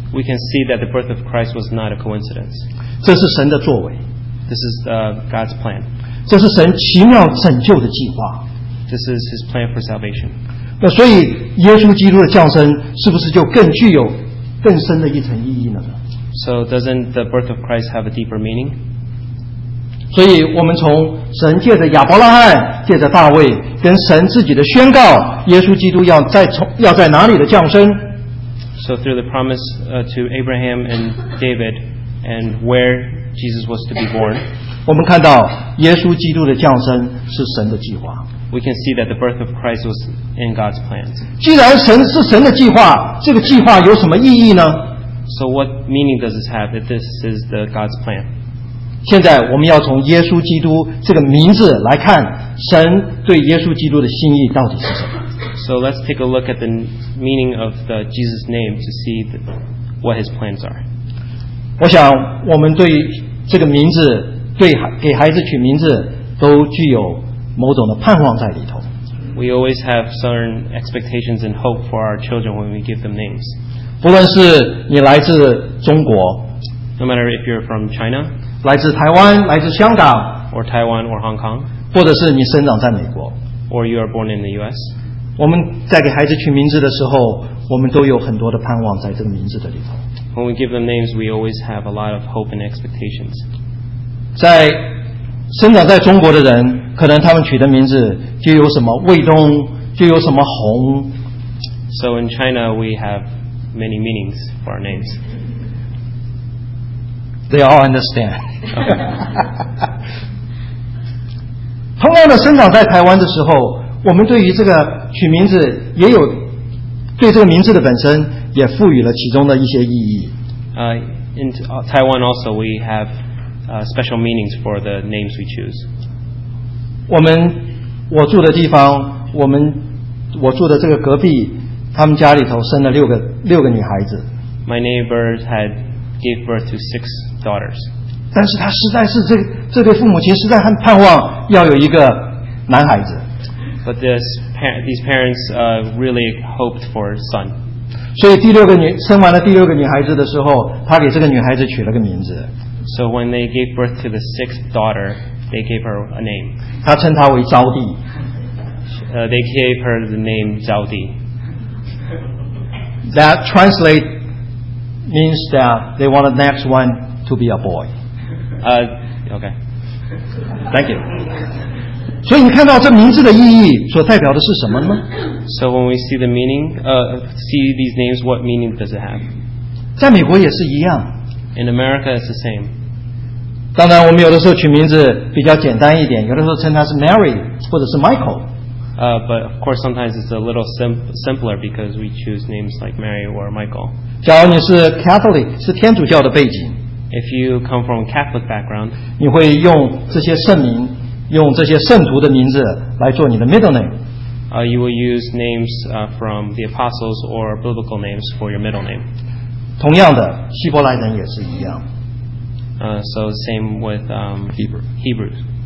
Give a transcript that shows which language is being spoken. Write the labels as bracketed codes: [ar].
[en] We can see that the birth of Christ was not a coincidence. [zh] 这是神的作为。 [en] This is God's plan. [zh] 这是神奇妙拯救的计划。 [en] This is his plan for salvation. [zh] 那所以耶稣基督的降生是不是就更具有更深的一层意义呢？ [en] So doesn't the birth of Christ have a deeper meaning? [zh] 所以我们从神借着亚伯拉罕借着大卫跟神自己的宣告耶稣基督要在哪里的降生。 [en] So through the promise to Abraham and David and where Jesus was to be born, [zh] 我们看到耶稣基督的降生是神的计划。 [en] We can see that the birth of Christ was in God's plans. [zh] 既然神是神的计划，这个计划有什么意义呢？ [en] So what meaning does this have if this is the God's plan? [zh] 现在我们要从耶稣基督这个名字来看神对耶稣基督的心意到底是什么。 [en] So let's take a look at the meaning of the Jesus name to see what his plans are. [zh] 我想我们对这个名字对给孩子取名字都具有某种的盼望在里头。 [en] We always have certain expectations and hope for our children when we give them names. [zh] 不论是你来自中国， [en] No matter if you're from China, [zh] 来自台湾，来自香港， [en] Or Taiwan or Hong Kong, [zh] 或者是你生长在美国， [en] Or you are born in the US, [zh] 我们在给孩子取名字的时候，我们都有很多的盼望在这个名字的里头。 [en] When we give them names, we always have a lot of hope and expectations. [zh] 在生长在中国的人，可能他们取的名字就有什么卫东，就有什么红。 [en] So in China, we have many meanings for our names. They all understand. Okay. [zh] 同样的，生长在台湾的时候，我们对于这个取名字也有对这个名字的本身也赋予了其中的一些意义。 [en] In Taiwan also we have special meanings for the names we choose. [zh] 我住的地方，我住的这个隔壁，他们家里头生了六个女孩子。 [en] My neighbor had gave birth to 6 daughters. [zh] 但是他实在是这对父母亲实在很盼望要有一个男孩子。 [en] But these parents really hoped for a son. [zh] 所以第六个女生完了第六个女孩子的时候，他给这个女孩子取了个名字。 [en] So when they gave birth to the 6th daughter, they gave her a name. [zh] 他称她为招娣。 [en] They gave her the name 招娣。 That translate means that they want the next one to be a boy. Okay. Thank you. [zh] 所以你看到这名字的意义所代表的是什么吗？ [en] So when we see the meaning, see these names, what meaning does it have? [zh] 在美国也是一样。 [en] In America, it's the same. [zh] 当然，我们有的时候取名字比较简单一点，有的时候称它是 Mary 或者是 Michael. [en] But of course, sometimes it's a little simpler because we choose names like Mary or Michael. [zh] 假如你是 Catholic, 是天主教的背景。 [en] If you come from a Catholic background, [zh] 你会用这些圣名。用这些圣徒的名字来做你的 middle name. [en] You will use names from the apostles or biblical names for your middle name. [zh] 同样的，希伯来人也是一样。 [en] So same with Hebrews.